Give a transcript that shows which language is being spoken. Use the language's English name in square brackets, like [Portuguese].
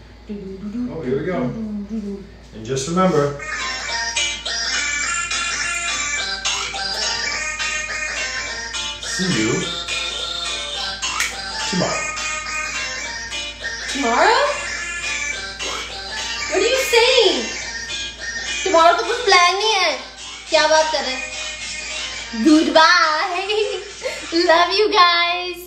[English] Oh, here we go. And just remember. See you tomorrow. Tomorrow? What are you saying? [Hindi] Tomorrow तो कुछ plan नहीं है. क्या बात कर रहे? [English] Goodbye. Love you guys.